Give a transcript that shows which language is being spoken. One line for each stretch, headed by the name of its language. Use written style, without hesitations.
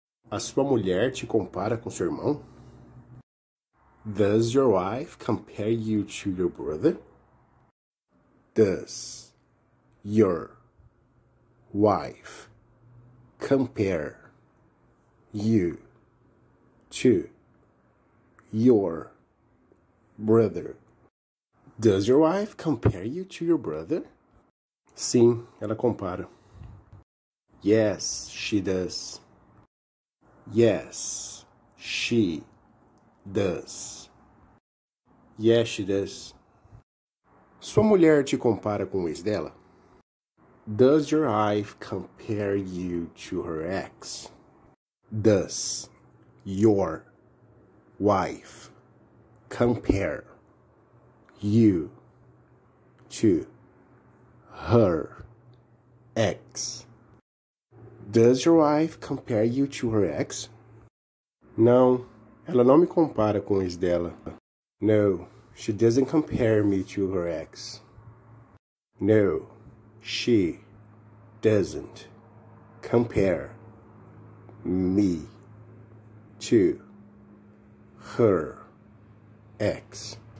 Portuguese: A sua mulher te compara com seu irmão?
English: Does your wife compare you to your brother? Does your wife compare you to your brother? Does your wife compare you to your brother?
Portuguese: Sim, ela compara.
English: Yes, she does. Yes, she does. Yes, she does.
Portuguese: Sua mulher te compara com o ex dela?
English: Does your wife compare you to her ex? Does your wife compare you to her ex? Does your wife compare you to her ex?
Portuguese: Não, ela não me compara com o ex dela.
English: No, she doesn't compare me to her ex. No, she doesn't compare me to her ex.